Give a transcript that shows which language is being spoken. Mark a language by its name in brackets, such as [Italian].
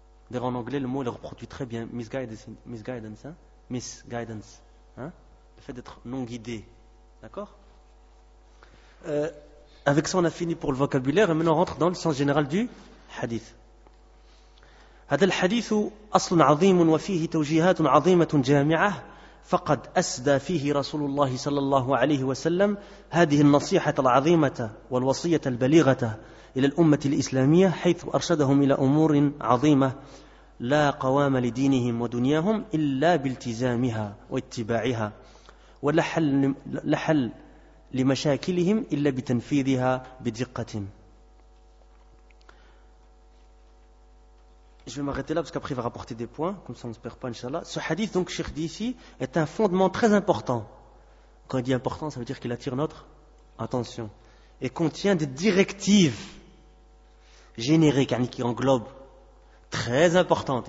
[French] D'ailleurs, en anglais, le mot le reproduit très bien. Misguidance. Hein? Misguidance. Hein? Le fait d'être non guidé. D'accord? Avec ça, on a fini pour le vocabulaire, et maintenant on rentre dans le sens général du hadith. [Arabic] هذا الحديث أصل عظيم وفيه توجيهات عظيمة جامعة فقد أسدى فيه رسول الله صلى الله عليه وسلم هذه النصيحة العظيمة والوصية البليغة إلى الأمة الإسلامية حيث أرشدهم إلى أمور عظيمة لا قوام لدينهم ودنياهم إلا بالتزامها واتباعها ولا حل لمشاكلهم إلا بتنفيذها بدقة. [French] Je vais m'arrêter là parce qu'après il va rapporter des points, comme ça on ne se perd pas, Inch'Allah. Ce hadith, donc, Cheikh dit ici, est un fondement très important. Quand il dit important, ça veut dire qu'il attire notre attention. Et contient des directives génériques, qui englobent. Très importantes.